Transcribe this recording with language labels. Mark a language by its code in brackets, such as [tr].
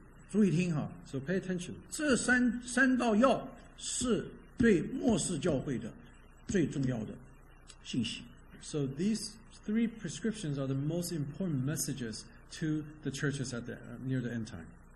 [zh] 注意听哈。 [en] So pay attention. [zh] 这三道药是对末世教会的最重要的信息。 [en] So these three prescriptions are the most important messages to the churches at the, near the end time.